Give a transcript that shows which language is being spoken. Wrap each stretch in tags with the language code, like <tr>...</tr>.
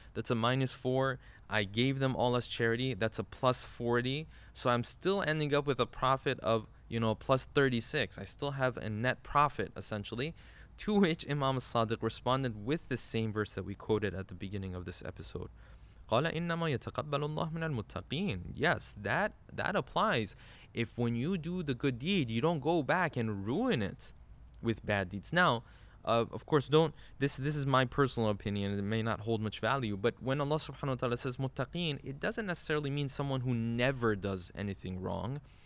<en>That's a minus 4. I gave them all as charity. That's a plus 40. So I'm still ending up with a profit of, you know, plus 36. I still have a net profit, essentially. To which Imam Sadiq responded with the same verse that we quoted at the beginning of this episode.</en> <ar>قَالَ إِنَّمَا يَتَقَبَّلُ اللَّهُ مِنَ الْمُتَّقِينَ</ar> <en>Yes, that applies. If when you do the good deed, you don't go back and ruin it with bad deeds. Now, of course, this is my personal opinion. It may not hold much value. But when Allah subhanahu wa ta'ala says muttaqeen, it doesn't necessarily mean someone who never does anything wrong.</en>